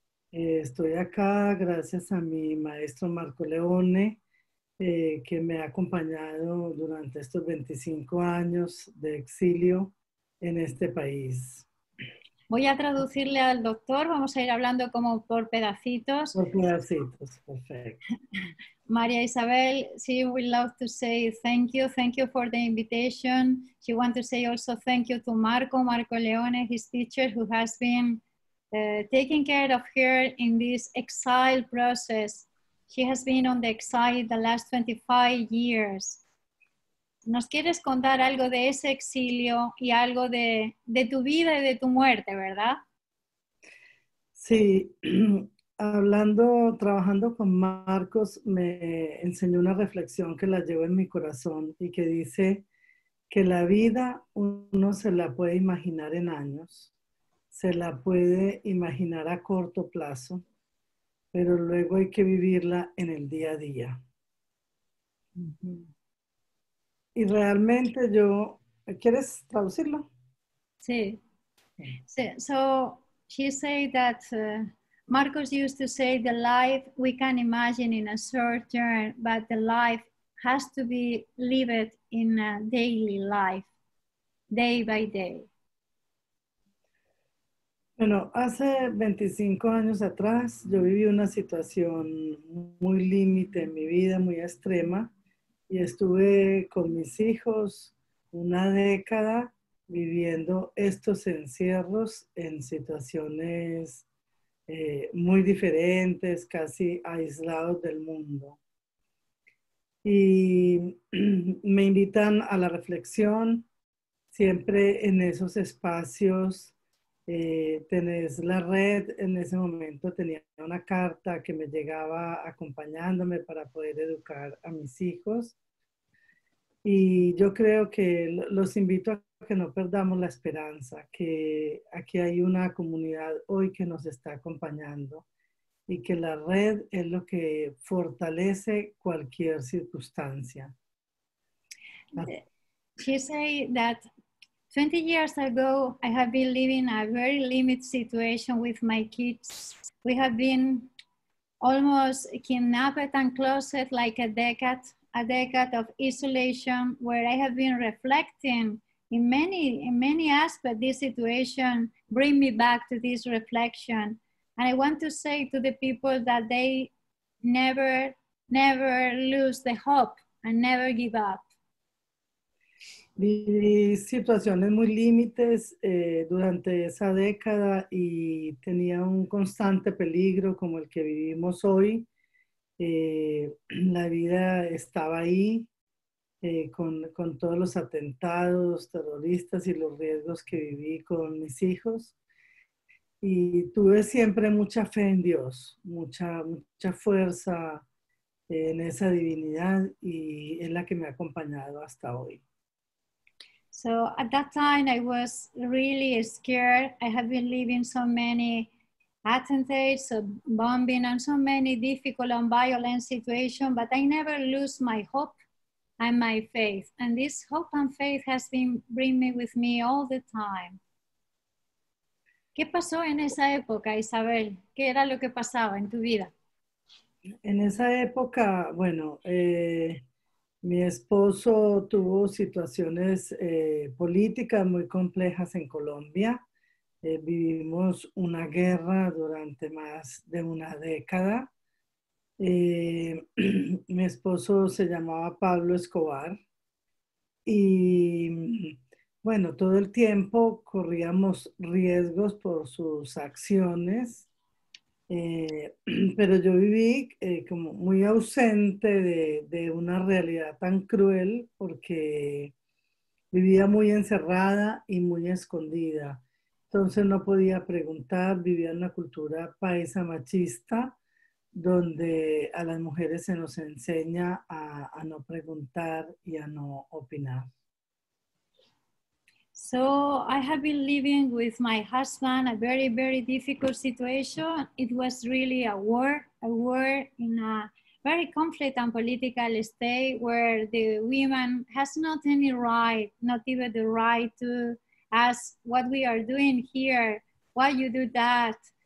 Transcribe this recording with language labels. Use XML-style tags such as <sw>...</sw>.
<es>Estoy acá gracias a mi maestro Marco Leone, que me ha acompañado durante estos 25 años de exilio en este país. Voy a traducirle al doctor, vamos a ir hablando como por pedacitos. Por pedacitos, perfecto.</es> <en>María Isabel, she would love to say thank you for the invitation. She wants to say also thank you to Marco Leone, his teacher, who has been taking care of her in this exile process. She has been on the exile the last 25 years.</en> <es>¿Nos quieres contar algo de ese exilio y algo de tu vida y de tu muerte, verdad? Sí. Hablando, trabajando con Marcos, me enseñó una reflexión que la llevo en mi corazón y que dice que la vida uno se la puede imaginar en años, se la puede imaginar a corto plazo, pero luego hay que vivirla en el día a día. Y realmente yo, ¿quieres traducirlo?</es> <en>Sí. So, she said that... Marcos used to say the life we can imagine in a short term, but the life has to be lived in a daily life, day by day.</en> <es>Bueno, hace 25 años atrás yo viví una situación muy límite en mi vida, muy extrema, y estuve con mis hijos una década viviendo estos encierros en situaciones muy diferentes, casi aislados del mundo. Y me invitan a la reflexión. Siempre en esos espacios tenés la red. En ese momento tenía una carta que me llegaba acompañándome para poder educar a mis hijos. Y yo creo que los invito a que no perdamos la esperanza, que aquí hay una comunidad hoy que nos está acompañando y que la red es lo que fortalece cualquier circunstancia.</es> <en>She said that 20 years ago I have been living a very limited situation with my kids. We have been almost kidnapped and closed like a decade of isolation, where I have been reflecting in many aspects. This situation bring me back to this reflection. And I want to say to the people that they never lose the hope and never give up.</en> <es>Mi situación es muy límites durante esa década y tenía un constante peligro como el que vivimos hoy. La vida estaba ahí con todos los atentados terroristas y los riesgos que viví con mis hijos. Y tuve siempre mucha fe en Dios, mucha fuerza en esa divinidad, y es la que me ha acompañado hasta hoy.</es> <en>So at that time I was really scared. I have been living so many attentates, so bombing, and so many difficult and violent situations, but I never lose my hope and my faith. And this hope and faith has been bringing with me all the time.</en> <es>¿Qué pasó en esa época, Isabel? ¿Qué era lo que pasaba en tu vida? En esa época, bueno, mi esposo tuvo situaciones políticas muy complejas en Colombia. Vivimos una guerra durante más de una década. Mi esposo se llamaba Pablo Escobar. Y bueno, todo el tiempo corríamos riesgos por sus acciones, pero yo viví como muy ausente de una realidad tan cruel, porque vivía muy encerrada y muy escondida. Entonces no podía preguntar, vivía en una cultura paisa machista, donde a las mujeres se nos enseña a no preguntar y a no opinar.</es> <en>So I have been living with my husband a very, very difficult situation. It was really a war in a very conflict and political state, where the women has not any right, not even the right to ask what we are doing here, why you do that.</en>